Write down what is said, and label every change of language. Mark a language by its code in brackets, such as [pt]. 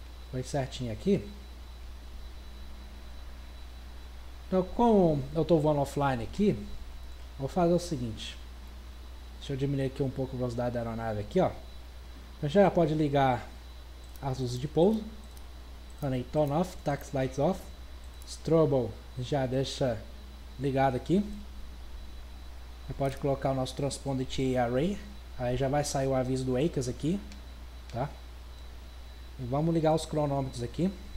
[pt] Foi certinho aqui. Então, como eu estou voando offline aqui, vou fazer o seguinte. Deixa eu diminuir aqui um pouco a velocidade da aeronave aqui, ó. Então, já pode ligar as luzes de pouso. [en] Runway turn off, taxi lights off. [pt] Strobo já deixa ligado aqui. Você pode colocar o nosso transponder array, aí já vai sair o aviso do ACAS aqui, tá? E vamos ligar os cronômetros aqui.